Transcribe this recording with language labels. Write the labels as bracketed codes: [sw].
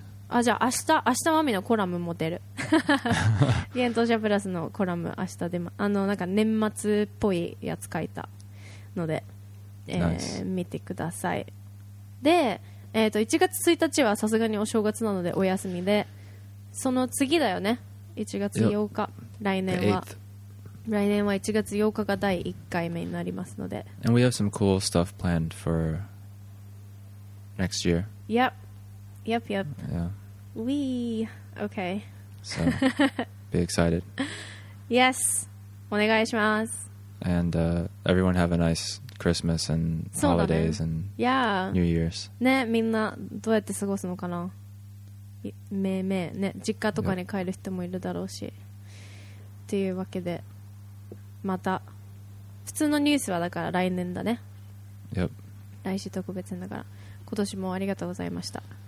[ja] あ、じゃあ明日マミのコラムも出る。現当社プラスのコラム明日出ま、なんか年末っぽいやつ書いたので、 [en] nice. [ja] 見てください。で、1月1日はさすがにお正月なのでお休みで、その次だよね、 1月8日、yep. 来年は1月8日が第1回目になりますので。 [en] And we have some cool stuff planned for next year. Yep. Yep, yep. Yeah. Wee. Okay. So, be excited. [ja] Yes. お願いします。 [en] And everyone have a nice Christmas and holidays、 [ja] ね、 [en] and yeah. New Year's. [ja] ね、みんなどうやって過ごすのかな?めいめい、ね、実家とかに帰る人もいるだろうし、yep. というわけでまた普通のニュースはだから来年だね、 [en] yep. [ja] 来週特別だから今年もありがとうございました。